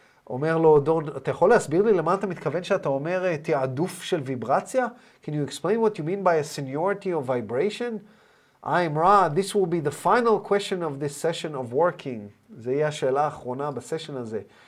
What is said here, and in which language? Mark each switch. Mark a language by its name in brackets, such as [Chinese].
[Hebrew] אומר לו, דורן, אתה יכול להסביר לי למה אתה מתכוון שאתה אומר תיעדוף של ויברציה? [English] Can you explain what you mean by a seniority of vibration? I am Ra, this will be the final question of this session of working. [Hebrew] זה יהיה השאלה האחרונה בסשן הזה.